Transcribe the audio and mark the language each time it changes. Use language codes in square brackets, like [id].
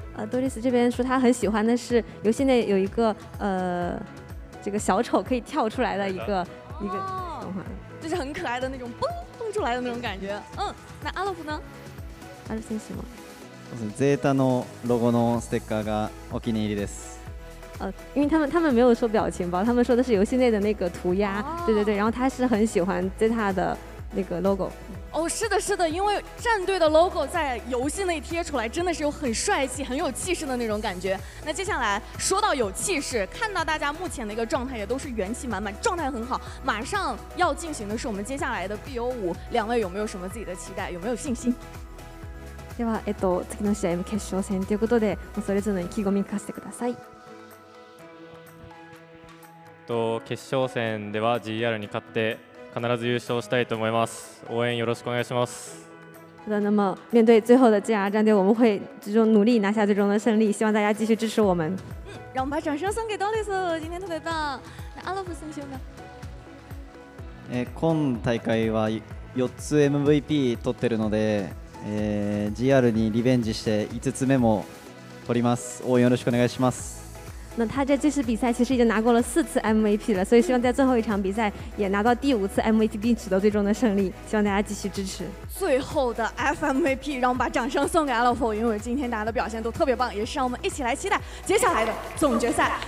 [zh] 多利斯这边说他很喜欢的是游戏内有一个这个小丑可以跳出来的一个动画，就是很可爱的那种蹦蹦出来的那种感觉。嗯，那阿洛夫呢？阿洛夫喜欢。 [ja] ゼータのロゴのステッカーがお気に入りです。 [zh] 因为他们没有说表情包，他们说的是游戏内的那个涂鸦。对对对，然后他是很喜欢ゼータ的那个 logo。哦，是的，是的，因为战队的 logo 在游戏内贴出来，真的是有很帅气、很有气势的那种感觉。那接下来说到有气势，看到大家目前的一个状态也都是元气满满，状态很好。马上要进行的是我们接下来的 BO5， 两位有没有什么自己的期待？有没有信心？ [ja] では、次の試合も決勝戦ということで、それぞれの意気込み聞かせてください。決勝戦では GR に勝って必ず優勝したいと思います。応援よろしくお願いします。 [zh] 那么面对最后的 GR 战队，我们会最终努力拿下最终的胜利。希望大家继续支持我们。嗯，让我们把掌声送给 Doris， 今天特别棒。那阿洛夫先生呢？ [ja] 今大会は4つ MVP 取ってるので。 GR にリベンジして5つ目も取ります。応援よろしくお願いします。 [zh] 那他在这次比赛其实已经拿过了四次 MVP 了，所以希望在最后一场比赛也拿到第五次 MVP 并取得最终的胜利。希望大家继续支持。最后的 FMVP， 让我们把掌声送给 Alpha， 因为今天大家的表现都特别棒，也是让我们一起来期待接下来的总决赛。